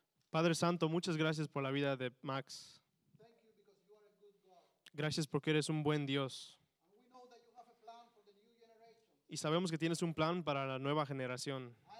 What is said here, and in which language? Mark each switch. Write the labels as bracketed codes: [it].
[es] Padre Santo, muchas gracias por la vida de Max. [en] Thank you because you are a good God. [es] Gracias porque eres un buen Dios. [en] And we know that you have a plan for the new generation. [es] Y sabemos que tienes un plan para la nueva generación.